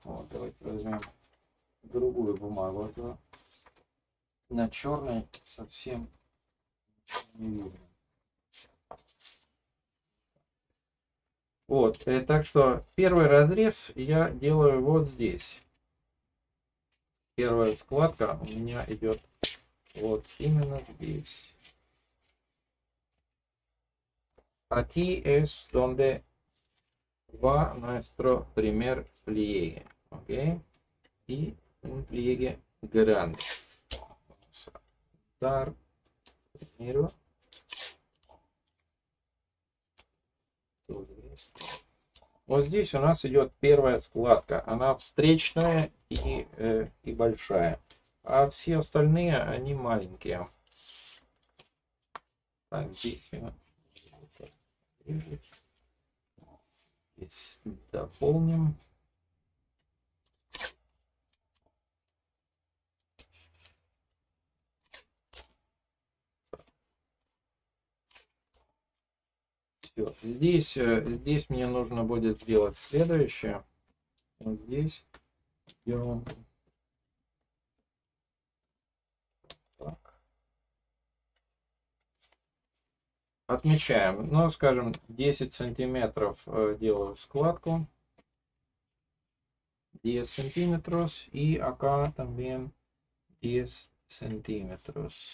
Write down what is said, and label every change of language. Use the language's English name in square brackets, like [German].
[Russian] Вот, давайте возьмем другую бумагу. На черной совсем не видно. Вот, так что первый разрез я делаю вот здесь. Первая складка у меня идет вот именно здесь. [Spanish] Aquí es donde va nuestro primer pliegue, ¿ok? Y un pliegue grande. Vamos a dar primero todo esto. [Russian] Вот здесь у нас идет первая складка, она встречная и большая, а все остальные они маленькие. Так, здесь дополним. Здесь мне нужно будет сделать следующее. Вот здесь делаем. Отмечаем, ну, скажем, 10 сантиметров делаю складку. 10 сантиметров. [Spanish] И acá también 10 сантиметров.